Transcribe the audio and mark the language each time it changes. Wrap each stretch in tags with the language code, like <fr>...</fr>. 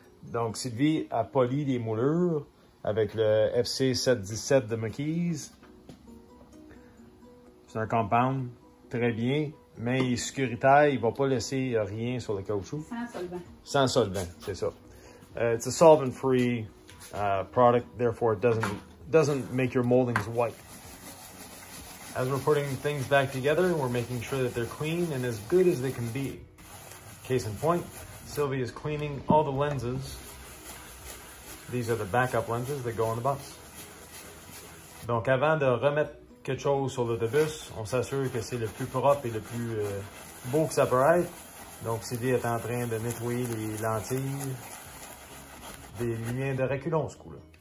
<fr>Donc Sylvie a poli les moulures avec le FC717 de McKee's. C'est un compound très bien, mais il est sécuritaire, il va pas laisser rien sur le caoutchouc. Sans solvant. Sans solvant, c'est ça.</fr> <en>It's a solvent-free product, therefore it doesn't make your moldings white. As we're putting things back together, we're making sure that they're clean and as good as they can be. Case in point, Sylvie is cleaning all the lenses. These are the backup lenses that go on the bus.</en> <fr>Donc avant de remettre quelque chose sur l'autobus, on s'assure que c'est le plus propre et le plus beau que ça peut être. Donc Sylvie est en train de nettoyer les lentilles des liens de reculons ce coup-là.</fr>